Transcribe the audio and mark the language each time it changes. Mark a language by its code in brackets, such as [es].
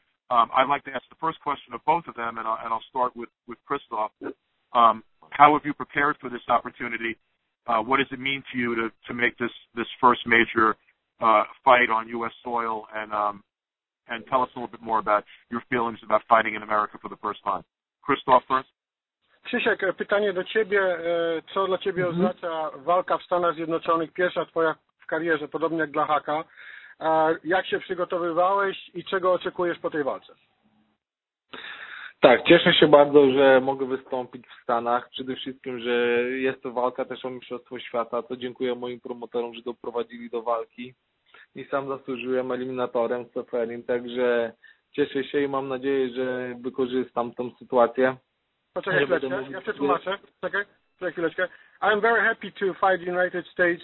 [en] I'd like to ask the first question of both of them, and I'll start with Christoph. How have you prepared for this opportunity? What does it mean to you to make this first major fight on U.S. soil? And tell us a little bit more about your feelings about fighting in America for the first time. Christoph first. [pl] Krzysiek, pytanie do ciebie. Co dla ciebie oznacza walka w Stanach Zjednoczonych, pierwsza twoja w karierze, podobnie jak dla Haka? Jak się przygotowywałeś i czego oczekujesz po tej walce? Tak, cieszę się bardzo, że mogę wystąpić w Stanach. Przede wszystkim, że jest to walka też o Mistrzostwo Świata. To dziękuję moim promotorom, że doprowadzili do walki. I sam zasłużyłem eliminatorem z Seferin, także cieszę się i mam nadzieję, że wykorzystam tą sytuację. [en] I'm very happy to fight the United States.